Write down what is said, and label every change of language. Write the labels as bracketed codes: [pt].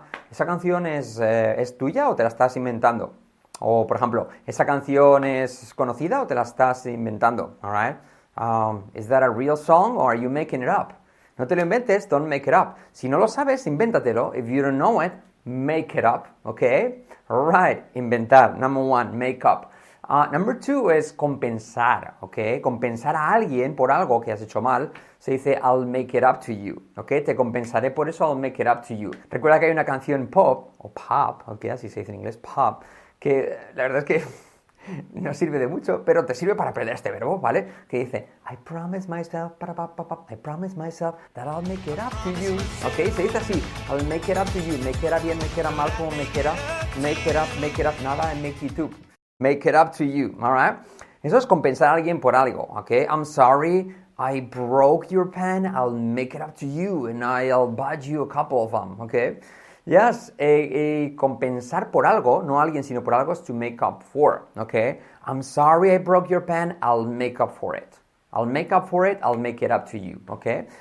[es] ¿Esa canción es tuya o te la estás inventando? O, por ejemplo, ¿esa canción es conocida o te la estás inventando? [en] All right? Is that a real song or are you making it up? [es] No te lo inventes, [en] don't make it up. [es] Si no lo sabes, invéntatelo. [en] If you don't know it, make it up, ¿ok? All right, inventar, number one, make up. Number two [es] es compensar, [en] ¿ok? [es] Compensar a alguien por algo que has hecho mal, se dice [en] I'll make it up to you, [es] ¿ok? Te compensaré por eso, [en] I'll make it up to you. [es] Recuerda que hay una canción pop, ¿ok? Así se dice en inglés, pop, que la verdad es que no sirve de mucho, pero te sirve para aprender este verbo, ¿vale? Que dice, [en] I promise myself that I'll make it up to you, ¿ok? [es] Se dice así, [en] I'll make it up to you, make it up bien, make it up mal, [es] como [en] make it up, nada, and make it up. Make it up to you, all right? [es] Eso es compensar a alguien por algo, okay? [en] I'm sorry, I broke your pen, I'll make it up to you, and I'll buy you a couple of them, okay? [es] Yes, compensar por algo, no alguien, sino por algo, es [en] to make up for, [es] okay? [en] I'm sorry I broke your pen, I'll make it up to you, okay?